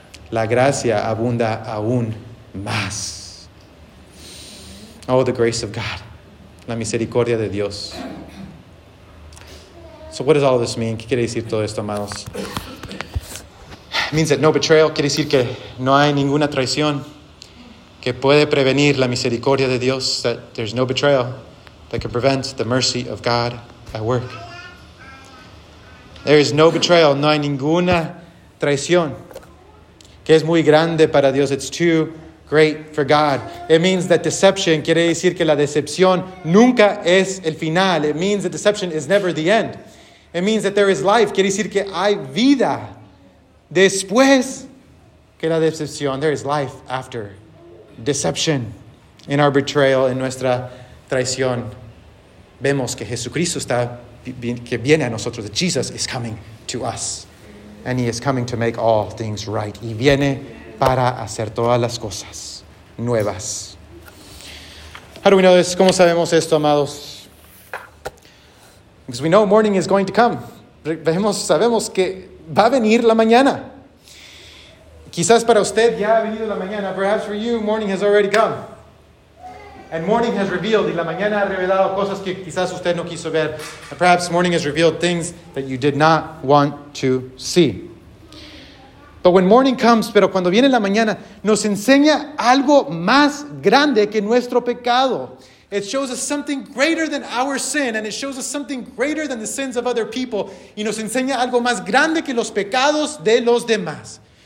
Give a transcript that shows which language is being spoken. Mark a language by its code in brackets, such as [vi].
[es] La gracia abunda aún más. [en] Oh, the grace of God. [es] La misericordia de Dios. [en] So what does all this mean? [es] ¿Qué quiere decir todo esto, amados? [en] It means that no betrayal. [es] Quiere decir que no hay ninguna traición que puede prevenir la misericordia de Dios. [en] That there's no betrayal that can prevent the mercy of God at work. There is no betrayal. [es] No hay ninguna traición que es muy grande para Dios. [en] It's too great for God. It means that deception. [es] Quiere decir que la decepción nunca es el final. [en] It means that deception is never the end. It means that there is life. [es] Quiere decir que hay vida después que la decepción. [en] There is life after deception. In our betrayal, in [es] nuestra traición, vemos que Jesucristo está, que viene a nosotros. [en] That Jesus is coming to us. And he is coming to make all things right. [es] Y viene para hacer todas las cosas nuevas. [en] How do we know this? [es] ¿Cómo sabemos esto, amados? [en] Because we know morning is going to come. [es] Sabemos que va a venir la mañana. Quizás para usted ya ha venido la mañana. [en] Perhaps for you, morning has already come. And morning has revealed, [es] y la mañana ha revelado cosas que quizás usted no quiso ver. [en] And perhaps morning has revealed things that you did not want to see. But when morning comes, [es] pero cuando viene la mañana, nos enseña algo más grande que nuestro pecado. [en] It shows us something greater than our sin, and it shows us something greater than the sins of other people. [es] Y nos enseña algo más grande que los pecados de los demás.